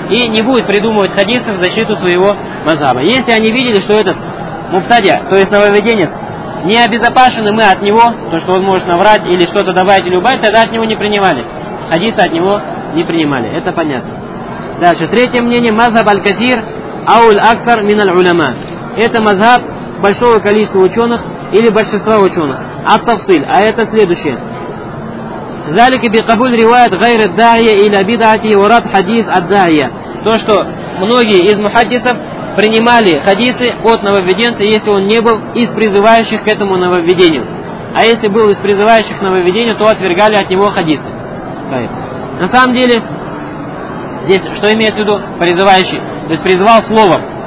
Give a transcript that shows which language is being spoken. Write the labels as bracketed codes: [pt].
[ru] И не будет придумывать хадисы в защиту своего мазаба. Если они видели, что этот мубтадя, то есть нововведенец, не обезопасены мы от него, то, что он может наврать или что-то добавить или убавить, тогда от него не принимали. Хадисы от него не принимали. Это понятно. Дальше. Третье мнение. [ar] Мазхаб аль-катир ауль аксар миналь улема. [ru] Это мазхаб большого количества ученых или большинства ученых. Ат-тафсиль. А это следующее. [ar] ذلك بقبول روايه غير الداعيه الى بدعته ورد حديث الداعيه. [ru] То, что многие из мухаддисов принимали хадисы от нововведенца, если он не был из призывающих к этому нововведению. А если был из призывающих к нововведению, то отвергали от него хадисы. На самом деле, здесь что имеется в виду призывающий? То есть призывал словом.